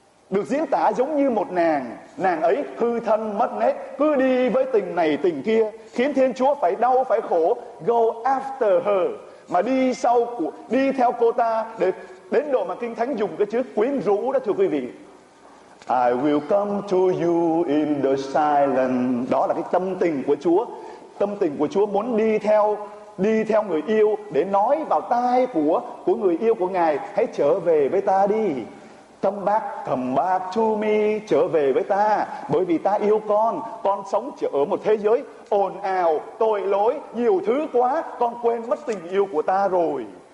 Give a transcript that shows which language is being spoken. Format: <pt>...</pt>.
<vi>Được diễn tả giống như một nàng ấy hư thân mất nết, cứ đi với tình này tình kia, khiến Thiên Chúa phải đau phải khổ,</vi> <en>go after her,</en> <vi>mà đi theo cô ta để đến độ mà Kinh Thánh dùng cái chữ quyến rũ đó thưa quý vị.</vi> <en>I will come to you in the silence.</en> <vi>Đó là cái tâm tình của Chúa. Tâm tình của Chúa muốn đi theo người yêu để nói vào tai của người yêu của Ngài, hãy trở về với ta đi.</vi> <en>Come back to me,</en> <vi>trở về với ta, bởi vì ta yêu con sống ở một thế giới ồn ào, tội lỗi, nhiều thứ quá, con quên mất tình yêu của ta rồi.</vi>